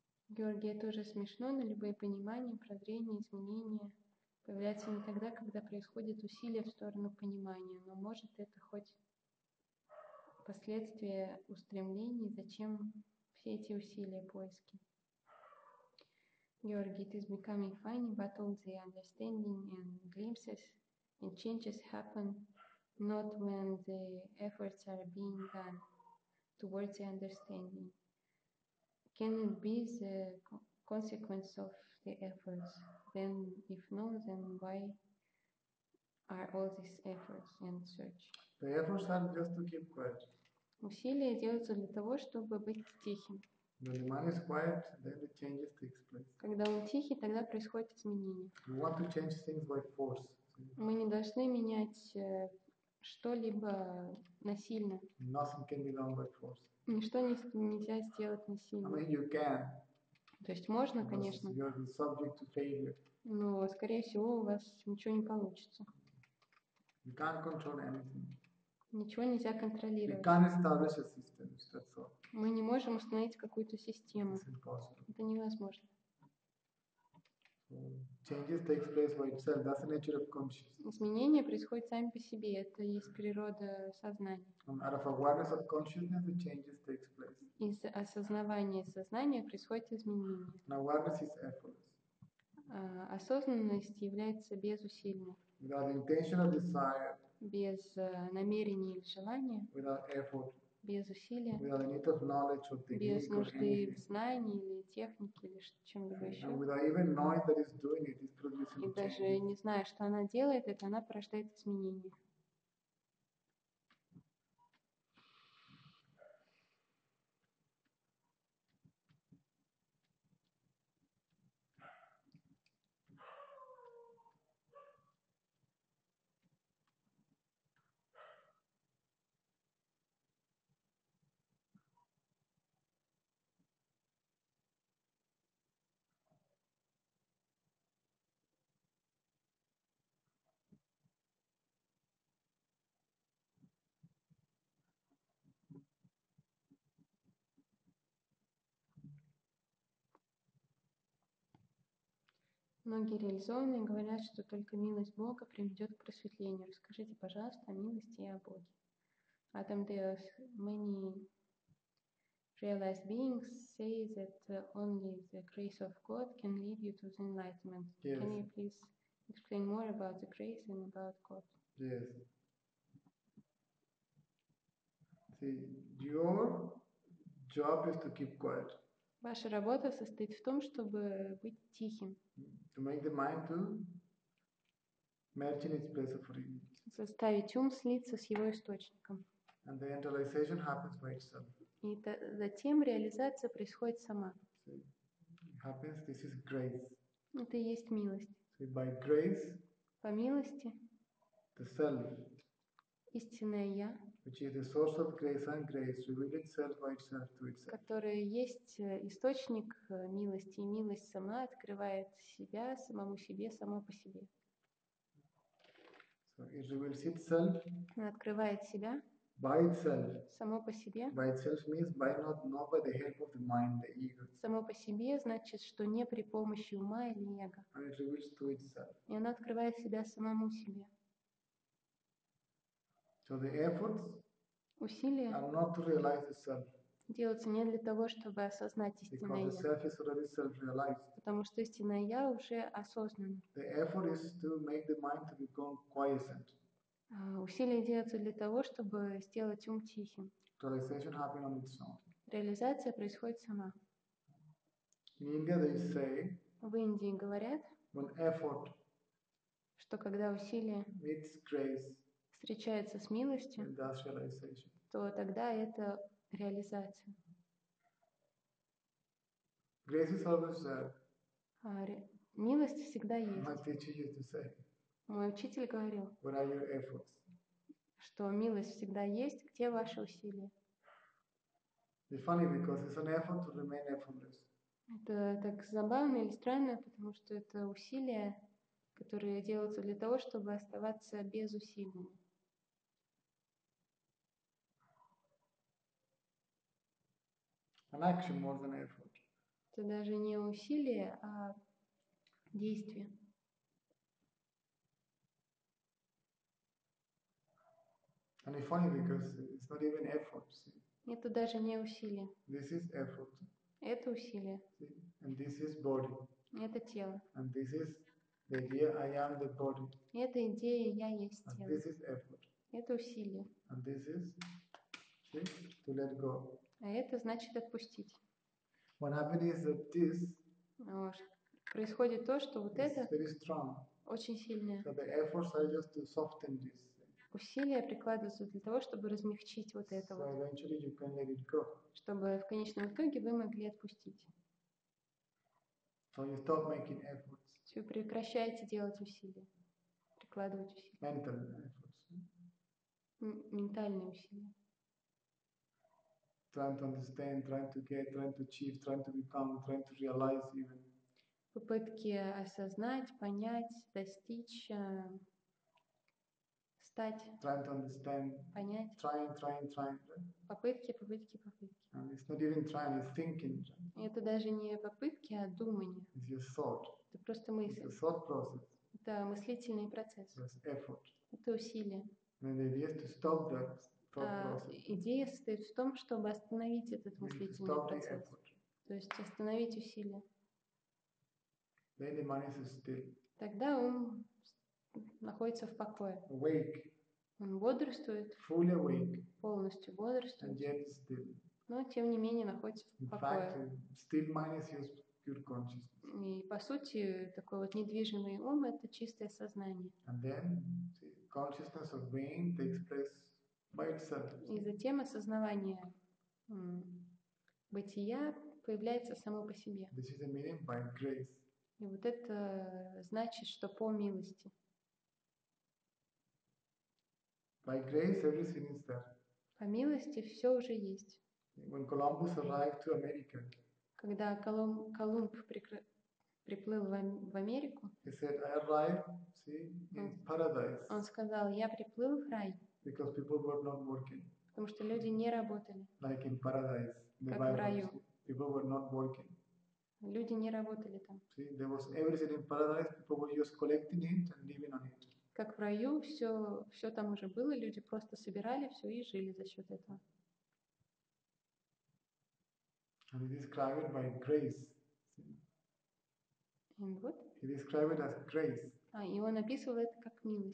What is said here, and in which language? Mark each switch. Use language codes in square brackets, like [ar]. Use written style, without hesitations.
[ru] Георгий, это уже смешно, но любые понимания, прозрения, изменения появляются не тогда, когда происходит усилие в сторону понимания, но может это хоть последствия устремлений, зачем все эти усилия, поиски. [en] Георгий, it is becoming funny, but all the understanding and glimpses and changes happen not when the efforts are being done towards the understanding. Can it be the consequence of the efforts? Then, if no, then why are all these efforts and search? The efforts are just to keep quiet. [ru] Усилия делаются для того, чтобы быть тихим. [en] When the mind is quiet, then the changes take place. [ru] Когда он тихий, тогда происходят изменения. [en] We want to change things by force. [ru] Мы не должны менять что-либо насильно. [en] Nothing can be done by force. [ru] Ничто нельзя сделать насильно. [en] I mean, you can. [ru] То есть можно, [en] because [ru] конечно. [en] You're the subject to failure. [ru] Но, скорее всего, у вас ничего не получится. [en] You can't control anything. [ru] Ничего нельзя контролировать. [en] You can't establish a system, that's all. [ru] Мы не можем установить какую-то систему. [en] It's impossible. [ru] Это невозможно. [en] Changes take place by itself. That's the nature of consciousness. [ru] Изменения происходят сами по себе. Это есть природа сознания. [en] Out of awareness of consciousness, the changes take place. [ru] Из осознавания сознания происходят изменения. [en] And awareness is effortless. [ru] Осознанность является безусильной. [en] Without intention or desire. [ru] Без намерения или желания. [en] Without effort. [ru] Без усилия. [en] Without need of knowledge or technique. [ru] Без нужды в знании или техники или чем-либо еще. [en] And without even knowing that it's doing it, it's producing changes. [ru] И даже не зная, что она делает, это она порождает изменения. Многие реализованные говорят, что только милость Бога приведет к просветлению. Расскажите, пожалуйста, о милости и о Боге. [en] Adam Deus, many realized beings say that only the grace of God can lead you to the enlightenment. Yes. Can you please explain more about the grace and about God? Yes. See, your job is to keep quiet. [ru] Ваша работа состоит в том, чтобы быть тихим. [en] To make the mind to merge in its place of origin. [ru] Заставить ум слиться с его источником. [en] And the realization happens by itself. [ru] И затем реализация происходит сама. [en] So it happens. This is grace. [ru] Это и есть милость. [en] So by grace. [ru] По милости. [en] The self. [ru] Истинное я. [en] Which is the source of grace and grace revealed itself by itself to itself. [ru] Которое есть источник милости, и милость сама открывает себя самому себе, само по себе. [en] So it reveals itself. [ru] Она открывает себя. [en] By itself. [ru] Само по себе. [en] By itself means by not, not by the help of the mind, the ego. [ru] Само по себе значит, что не при помощи ума или эго. [en] And it reveals to itself. [ru] И она открывает себя самому себе. [en] So the efforts [ru] усилия [en] are not to realize the self. [ru] делаются не для того, чтобы осознать истинное [en] Because the self is already self-realized. [ru] Потому что истинное я уже осознанно. [en] The effort is to make the mind to become quiescent. [ru] Усилия делаются для того, чтобы сделать ум тихим. [en] Realization happens on its own. [ru] Реализация происходит сама. [en] In India they say, [ru] в Индии говорят, [en] when effort [ru] что когда усилие [en] meets grace, [ru] встречается с милостью, [en] and that's realization. [ru] То тогда это реализация. [en] Grace is always there. [ru] Милость всегда есть. [en] My teacher used to say, [ru] мой учитель говорил, [en] where are your efforts? [ru] Что милость всегда есть, где ваши усилия? [en] It's funny because it's an effort to remain effortless. [ru] Это так забавно или странно, потому что это усилия, которые делаются для того, чтобы оставаться без усилий. [en] An action more than effort. [ru] Это даже не усилие, а действие. [en] And it's funny because it's not even effort, see. [ru] Это даже не усилие. [en] This is effort. [ru] Это усилие. [en] See? And this is body. [ru] Это тело. [en] And this is the idea I am the body. [ru] Это идея я есть [en] and [ru] тело. [en] This is effort. [ru] Это усилие. [en] And this is, see, to let go. [ru] А это значит отпустить. [en] What happens is that this. [ru] Происходит то, что вот это. [en] Very strong. [ru] Очень сильное. [en] So the efforts are just to soften this. [ru] Усилия прикладываются для того, чтобы размягчить вот это вот. Чтобы в конечном итоге вы могли отпустить. [en] So [ru] вы прекращаете делать усилия. Прикладывать усилия. Ментальные усилия. [en] Trying to understand, trying to get, trying to achieve, trying to become, trying to realize even. [ru] Попытки осознать, понять, достичь. Стать, [en] trying to understand, [ru] понять, [en] trying, right? [ru] Попытки. [en] And it's not even trying, it's thinking. [ru] Это даже не попытки, а думание. [en] It's your thought. [ru] Это просто мысль. [en] It's a thought process. [ru] Это мыслительный процесс. [en] It's effort. [ru] Это усилие. [en] And the idea is to stop that thought process. [ru] Идея состоит в том, чтобы остановить этот мыслительный [en] stop [ru] процесс. [en] The effort. [ru] То есть остановить усилие. [en] Then the mind is still. [ru] Тогда ум находится в покое. [en] Awake. [ru] Он бодрствует. [en] Fully awake. [ru] Полностью бодрствует. [en] And yet still. [ru] Но тем не менее находится в покое. [en] In fact, still mind is just pure consciousness. [ru] И по сути такой вот недвижимый ум – это чистое сознание. [en] And then the consciousness of being takes place by itself. [ru] И затем осознавание бытия появляется само по себе. [en] This is the meaning by grace. [ru] И вот это значит, что по милости. [en] By grace, everything is there. [ru] По милости все уже есть. [en] When Columbus arrived to America, [ru] когда Колумб приплыл в Америку, [en] he said, "I arrived, see, in paradise." [ru] Он сказал, я приплыл в рай. [en] Because people were not working. [ru] Потому что люди не работали. [en] Like in paradise, the [ru] как [en] Bible [ru] в раю. [en] People were not working. [ru] Люди не работали там. [en] See, there was everything in paradise. People were just collecting it and living on it. [ru] Как в раю, все там уже было, люди просто собирали все и жили за счет этого. [en] And he described it by grace. And what? He described it as grace. [ru] И он описывал это как милость.